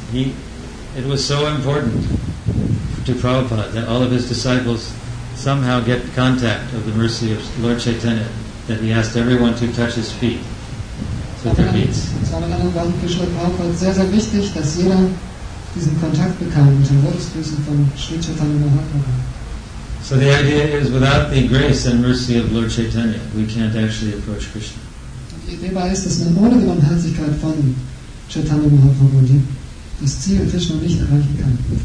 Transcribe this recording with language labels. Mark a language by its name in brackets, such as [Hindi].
[English] It was so important to Prabhupada that all of his disciples somehow get contact of the mercy of Lord Chaitanya that he asked everyone to touch his feet with their beads. [German] Es war mit anderen Worten für Srila Prabhupada sehr, sehr wichtig, dass jeder diesen Kontakt bekam mit den Lotusfüßen von Sri Chaitanya Mahaprabhu. [English] So the idea is without the grace and mercy of Lord Chaitanya we can't actually approach Krishna. [German] Die Idee war, dass man ohne die Barmherzigkeit von Chaitanya Mahaprabhu das Ziel Krishna nicht erreichen kann.